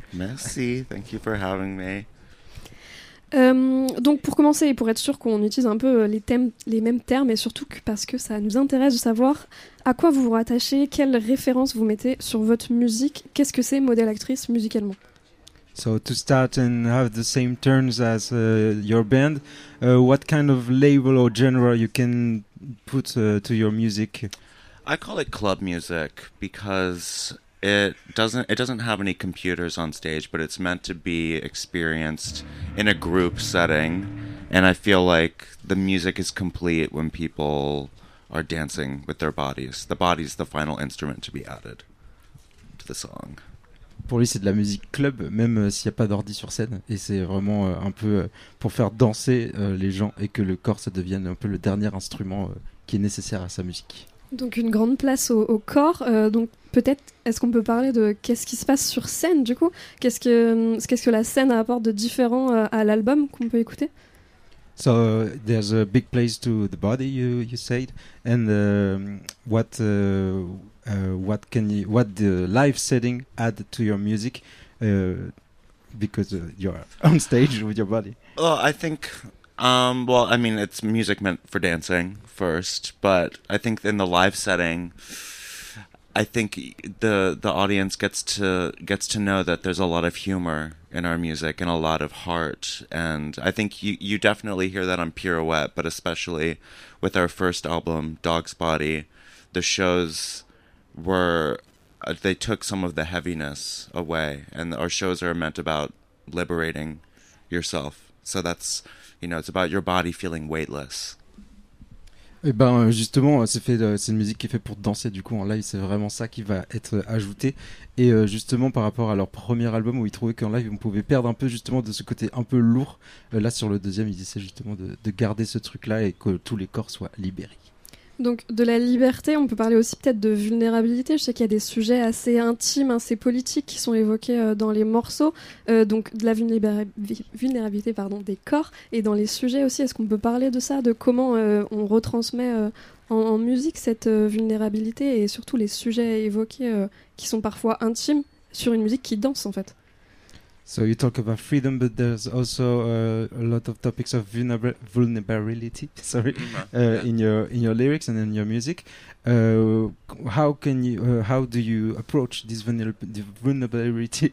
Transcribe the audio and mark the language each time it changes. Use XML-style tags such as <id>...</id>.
<fr>Merci,</fr> <en>thank you for having me.</en> <fr>Donc pour commencer, pour être sûr qu'on utilise un peu les thèmes, les mêmes termes, et surtout parce que ça nous intéresse de savoir à quoi vous vous rattachez, quelles références vous mettez sur votre musique, qu'est-ce que c'est modèle actrice musicalement.</fr> <en>So to start and have the same terms as your band, what kind of label or genre you can put to your music? I call it club music because It doesn't have any computers on stage, but it's meant to be experienced in a group setting, and I feel like the music is complete when people are dancing with their bodies. The body's the final instrument to be added to the song.</en> <fr>Pour lui, c'est de la musique club, même s'il n'y a pas d'ordi sur scène, et c'est vraiment un peu pour faire danser les gens et que le corps ça devienne un peu le dernier instrument qui est nécessaire à sa musique. Donc une grande place au corps. Donc peut-être, est-ce qu'on peut parler de qu'est-ce qui se passe sur scène du coup ? Qu'est-ce que la scène apporte de différent à l'album qu'on peut écouter ?</fr> <en>So there's a big place to the body, you said, and what the live setting add to your music because you're on stage with your body. Oh, I think. Well, I mean, it's music meant for dancing first, but I think in the live setting, I think the audience gets to know that there's a lot of humor in our music and a lot of heart. And I think you definitely hear that on Pirouette, but especially with our first album, Dog's Body, the shows were, they took some of the heaviness away, and our shows are meant about liberating yourself. So that's, you know, it's about your body feeling weightless.</en> <fr>Et ben justement, c'est une musique qui est faite pour danser. Du coup, en live, c'est vraiment ça qui va être ajouté. Et justement, par rapport à leur premier album, où ils trouvaient qu'en live, on pouvait perdre un peu justement de ce côté un peu lourd. Là, sur le deuxième, ils essaient justement de garder ce truc-là et que tous les corps soient libérés. Donc de la liberté, on peut parler aussi peut-être de vulnérabilité. Je sais qu'il y a des sujets assez intimes, assez politiques qui sont évoqués dans les morceaux. Donc de la vulnérabilité pardon, des corps et dans les sujets aussi. Est-ce qu'on peut parler de ça, de comment on retransmet en musique cette vulnérabilité et surtout les sujets évoqués qui sont parfois intimes sur une musique qui danse en fait?</fr> <en>So you talk about freedom, but there's also a lot of topics of vulnerability. Sorry, in your lyrics and in your music, how do you approach this vulnerability?</en>